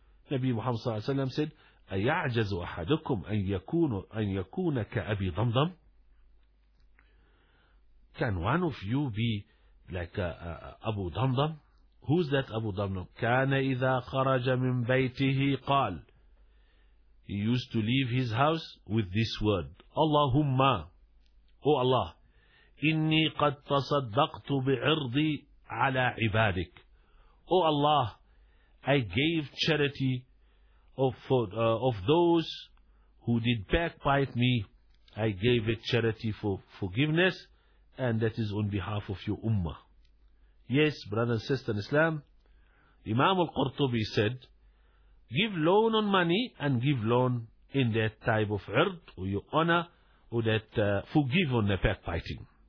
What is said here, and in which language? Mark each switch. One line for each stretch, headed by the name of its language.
English: Nabi Muhammad sallallahu alayhi wa sallam said,
Arabic: أَيَعْجَزُ أَحَدُكُمْ أَنْ يَكُونَ كَأَبِي ضَمْضَمْ.
English: Can one of you be like Abu Dhamdam? Who's that Abu Dhamdam?
Arabic: كَانَ إِذَا خَرَجَ مِنْ بَيْتِهِ قَال.
English: He used to leave his house with this word.
Arabic: Allahumma,
English: O Allah,
Arabic: إِنِّي قَدْ تَصَدَّقْتُ بِعِرْضِي عَلَىٰ عِبَادِكْ.
English: O Allah, I gave charity of those who did backbite me, I gave it charity for forgiveness, and that is on behalf of your ummah. Yes, brother and sister in Islam, Imam al-Qurtubi said, give loan on money and give loan in that type of ird, or your honor, or that forgive on the backbiting.